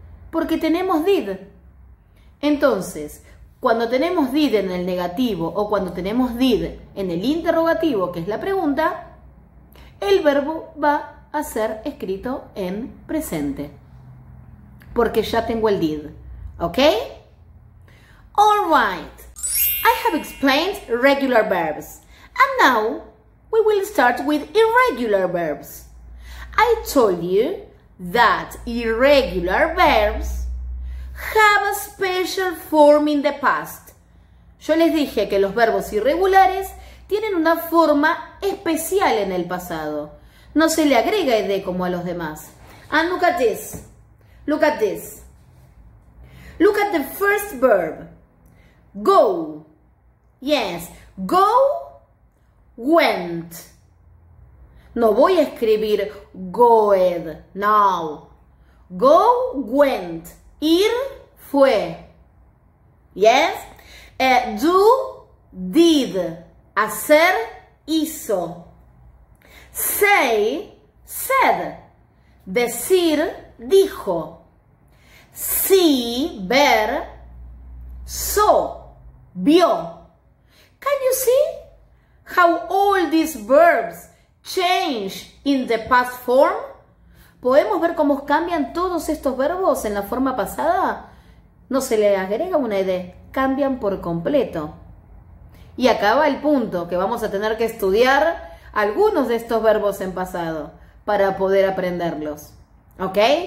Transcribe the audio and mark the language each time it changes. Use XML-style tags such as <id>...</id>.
<es>Porque tenemos did. Entonces, cuando tenemos did en el negativo o cuando tenemos did en el interrogativo, que es la pregunta, el verbo va a ser escrito en presente. Porque ya tengo el did. ¿Ok?</es> <en>Alright, I have explained regular verbs, and now we will start with irregular verbs. I told you that irregular verbs have a special form in the past.</en> <es>Yo les dije que los verbos irregulares tienen una forma especial en el pasado. No se le agrega ed como a los demás.</es> <en>And look at this. Look at this. Look at the first verb. Go. Yes. Go, went.</en> <es>No voy a escribir goed. No.</es> <en>Go, went.</en> <es>Ir, fue.</es> <en>Yes. Do, did.</en> <es>Hacer, hizo.</es> <en>Say, said.</en> <es>Decir, dijo.</es> <en>See,</en> <es>ver.</es> <en>Saw.</en> <es>Vio.</es> <en>Can you see how all these verbs change in the past form?</en> <es>¿Podemos ver cómo cambian todos estos verbos en la forma pasada? No se le agrega una ED. Cambian por completo. Y acaba el punto que vamos a tener que estudiar algunos de estos verbos en pasado para poder aprenderlos. ¿Ok?</es>